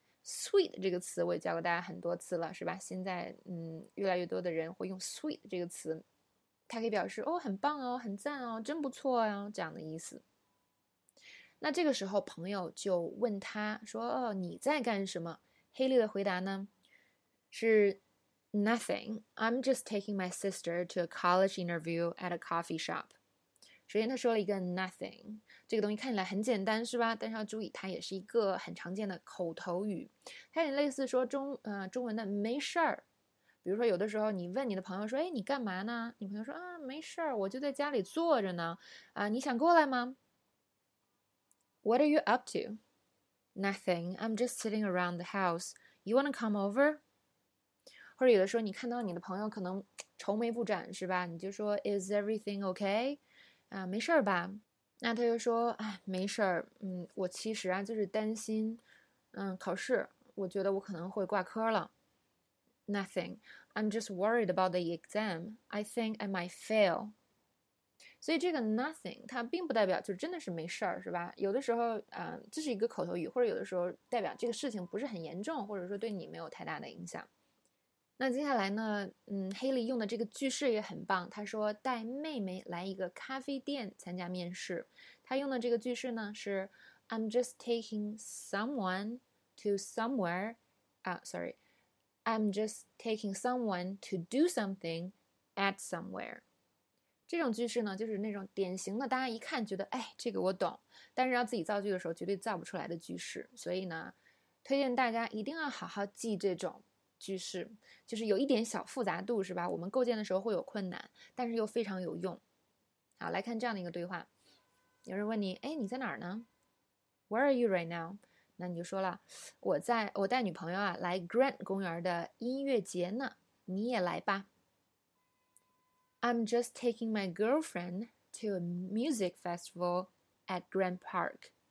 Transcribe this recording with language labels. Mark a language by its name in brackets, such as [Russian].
[Chinese] Sweet 这个词我也教过大家很多次了，是吧？现在越来越多的人会用 sweet 这个词，它可以表示哦，很棒哦，很赞哦，真不错呀、哦，这样的意思。那这个时候朋友就问他说：“哦，你在干什么？”Haley 的回答呢是 "Nothing. [English] I'm just taking my sister to a college interview at a coffee shop." [Chinese] 首先，他说了一个 nothing，这个东西看起来很简单，是吧？但是要注意，它也是一个很常见的口头语，它也类似说中文的没事儿。比如说，有的时候你问你的朋友说：“哎，你干嘛呢？”你朋友说：“啊，没事儿，我就在家里坐着呢。 ” 你想过来吗？ [English] What are you up to? Nothing. I'm just sitting around the house. You wanna come over? [Chinese] 或者有的时候你看到你的朋友可能愁眉不展，是吧？你就说 [English] Is everything okay？ [Chinese] 没事儿吧？那他就说："哎，没事儿，我其实啊就是担心，考试，我觉得我可能会挂科了。 [English] Nothing, I'm just worried about the exam. I think I might fail。 [Chinese] 所以这个 nothing 它并不代表就真的是没事儿，是吧？有的时候，这是一个口头语，或者有的时候代表这个事情不是很严重，或者说对你没有太大的影响。那接下来呢，Haley 用的这个句式也很棒。他说带妹妹来一个咖啡店参加面试，他用的这个句式呢是 [English] "I'm just taking someone to somewhere"， I'm just taking someone to do something at somewhere。 [Chinese] 这种句式呢，就是那种典型的，大家一看觉得哎，这个我懂，但是要自己造句的时候绝对造不出来的句式。所以呢，推荐大家一定要好好记这种。句式就是有一点小复杂度，是吧？我们构建的时候会有困难，但是又非常有用。好，来看这样的一个对话，有人问你："哎，你在哪儿呢？ [English] Where are you right now？" [Chinese] 那你就说了："我带女朋友啊来 Grant 公园的音乐节呢，你也来吧。" [English] I'm just taking my girlfriend to a music festival at Grant Park.